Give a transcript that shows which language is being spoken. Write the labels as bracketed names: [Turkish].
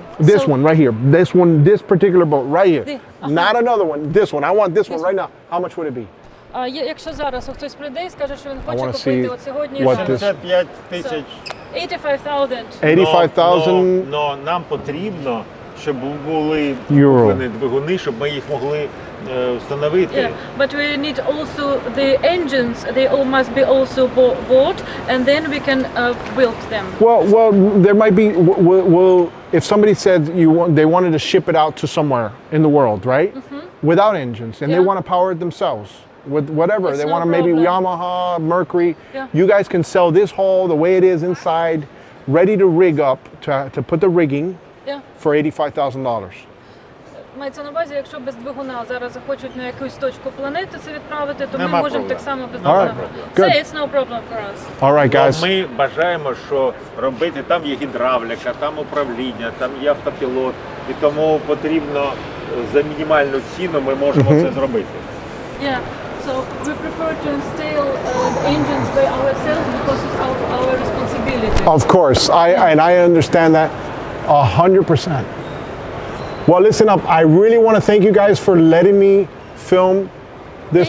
[English] This one right here. This one, this particular boat right here. Not another one. This one. I want this one right now. How much would it be? [Ukrainian] Якщо зараз хтось прийде і скаже, що він хоче купити от сьогодні, 85,000. 85,000. Но нам потрібно, щоб були двигуни, щоб ми їх могли встановити. [English] Yeah, but we need also the engines. They all must be also bought, and then we can build them. Well, there might be. Well, if somebody said they wanted to ship it out to somewhere in the world, right? Mm-hmm. Without engines, and yeah. They want to power it themselves with whatever it's they no want to, problem. Maybe Yamaha, Mercury. Yeah. You guys can sell this hull the way it is inside, ready to rig up to put the rigging. Yeah. For $85,000. [Ukrainian] Мається на увазі, якщо без двигуна зараз захочуть на якусь точку планети це відправити, то ми можемо так само без двигуна. Це [English] it's no problem for us. All right, guys. [Ukrainian] Ми бажаємо, що робити там є гідравліка, там управління, там є автопілот, і тому потрібно за мінімальну ціну ми можемо це зробити. [English] Yeah. So we prefer to install engines by ourselves because it's our responsibility. Of course. I understand that. 100%. Well, listen up. I really want to thank you guys for letting me film this.